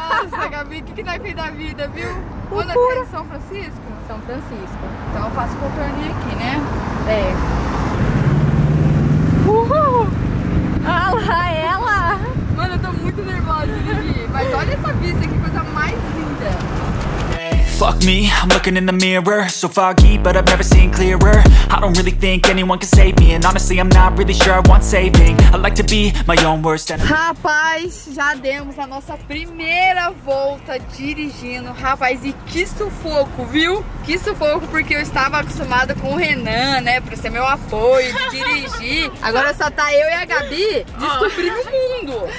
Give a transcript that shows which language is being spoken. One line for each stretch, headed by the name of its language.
Portuguese: Nossa, Gabi, o que nós fez da vida, viu? Quando aqui é de São Francisco? São Francisco. Então eu faço contorninho aqui, né? É. Uhul! Olha lá ela! Mano, eu tô muito nervosa, Gabi. Mas olha essa vista, que coisa mais linda!
English: Fuck me, I'm looking in the mirror. So foggy, but I've never seen clearer. I don't really think anyone can save me. And honestly, I'm not really sure I want saving. I like to be my own worst enemy.
Portuguese: Rapaz, já demos a nossa primeira volta dirigindo. Rapaz, e que sufoco, viu? Que sufoco, porque eu estava acostumada com o Renan, né? Pra ser meu apoio, dirigir. Agora só tá eu e a Gabi descobrindo o mundo.